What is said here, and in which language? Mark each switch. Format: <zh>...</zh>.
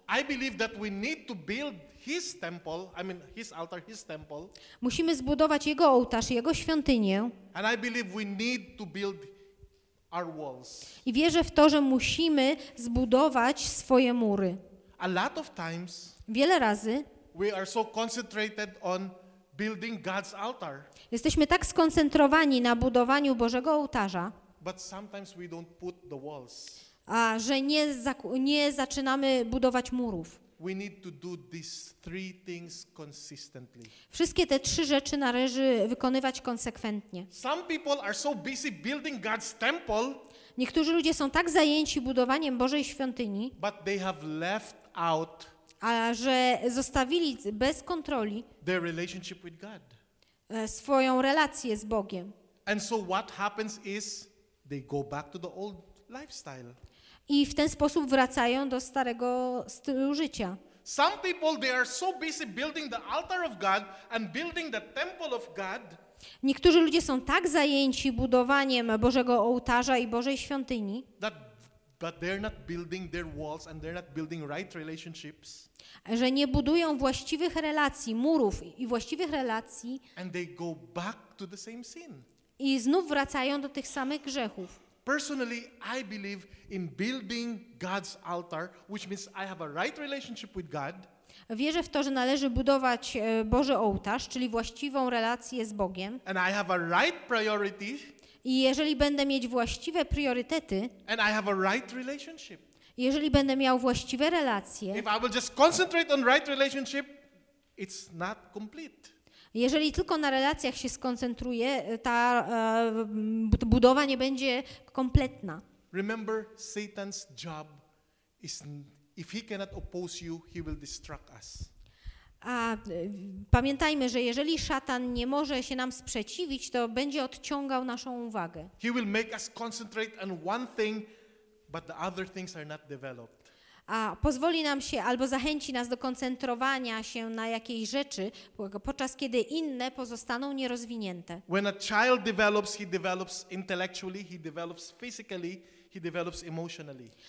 <en>I believe that we need to build his temple, I mean his altar, his temple.</en> <pl>Musimy zbudować jego ołtarz, jego świątynię.</pl> <en>And I believe we need to build our walls.</en> <pl>I wierzę w to, że musimy zbudować swoje mury.</pl> <en>A lot of times,</en> <pl>wiele razy,</pl> <en>we are so concentrated on building God's altar.</en> <pl>Jesteśmy tak skoncentrowani na budowaniu Bożego ołtarza.</pl> <en>But sometimes we don't put the walls.</en> <pl>A że nie zaczynamy budować murów.</pl> <en>We need to do these three things consistently.</en> <pl>Wszystkie te trzy rzeczy należy wykonywać konsekwentnie.</pl> <en>Some people are so busy building God's temple.</en> <pl>Niektórzy ludzie są tak zajęci budowaniem Bożej świątyni,</pl> <en>but they have left out,</en> <pl>a że zostawili bez kontroli</pl> <en>their relationship with God.</en> <pl>Swoją relację z Bogiem.</pl> <en>And so what happens is they go back to the old lifestyle.</en> <pl>I w ten sposób wracają do starego stylu życia.</pl> <en>Some people, they are so busy building the altar of God and building the temple of God.</en> <pl>Niektórzy ludzie są tak zajęci budowaniem Bożego ołtarza i Bożej świątyni,</pl> <en>but they're not building their walls and they're not building right relationships.</en> <pl>Że nie budują właściwych relacji, murów i właściwych relacji.</pl> <en>And they go back to the same sin.</en> <pl>I znów wracają do tych samych grzechów.</pl> <en>Personally, I believe in building God's altar, which means I have a right relationship with God.</en> <pl>Wierzę w to, że należy budować Boży ołtarz, czyli właściwą relację z Bogiem.</pl> <en>And I have a right priority.</en> <pl>I jeżeli będę mieć właściwe priorytety.</pl> <en>And I have a right relationship.</en> <pl>Jeżeli będę miał właściwe relacje.</pl> <en>If I will just concentrate on right relationship, it's not complete.</en> <pl>Jeżeli tylko na relacjach się skoncentruję, ta budowa nie będzie kompletna.</pl> <en>Remember, Satan's job is, if he cannot oppose you, he will distract us.</en> <pl>A pamiętajmy, że jeżeli szatan nie może się nam sprzeciwić, to będzie odciągał naszą uwagę.</pl> <en>He will make us concentrate on one thing, but the other things are not developed.</en> <pl>A pozwoli nam się, albo zachęci nas do koncentrowania się na jakiejś rzeczy, podczas kiedy inne pozostaną nierozwinięte.</pl> <en>When a child develops, he develops intellectually, he develops physically, he develops emotionally.</en>